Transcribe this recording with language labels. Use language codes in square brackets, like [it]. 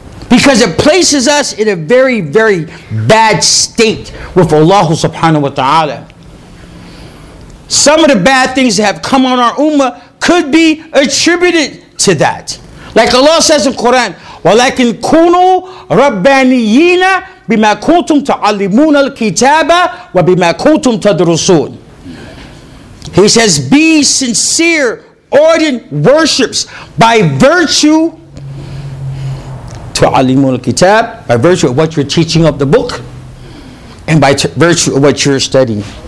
[en] Because it places us in a very, very bad state with Allah subhanahu wa ta'ala. Some of the bad things that have come on our ummah could be attributed to that. [ar] Like Allah says in Quran, وَلَكِنْ كُونُوا رَبَّانِيِّينَ بِمَا كُنْتُمْ تَعَلِّمُونَ الْكِتَابَ وَبِمَا كُنْتُمْ تَدْرُسُونَ. [en] He says, be sincere, ardent worships by virtue, [ar] تَعَلِّمُونَ الْكِتَابَ, [en] by virtue of what you're teaching of the book, and by virtue of what you're studying.